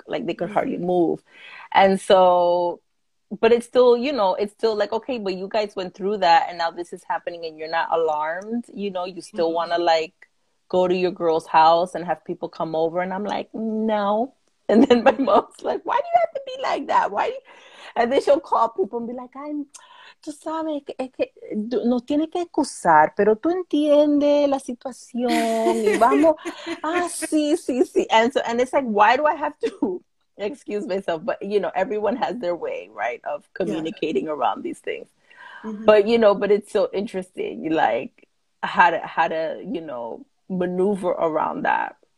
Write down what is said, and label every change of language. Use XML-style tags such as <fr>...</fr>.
<en>Like, they could hardly move. And so, but it's still, you know, it's still like, okay, but you guys went through that and now this is happening and you're not alarmed. You know, you still want to like go to your girl's house and have people come over. And I'm like, no. And then my mom's like, why do you have to be like that? Why? And then she'll call people and be like, I'm,</en> <es>tú sabes, que no tiene que excusar, pero tú entiendes la situación. Y vamos. Ah, sí, sí, sí.</es> <en>And so, and it's like, why do I have to excuse myself, but you know, everyone has their way, right, of communicating around these things. But you know, but it's so interesting, like how to you know, maneuver around that.</en>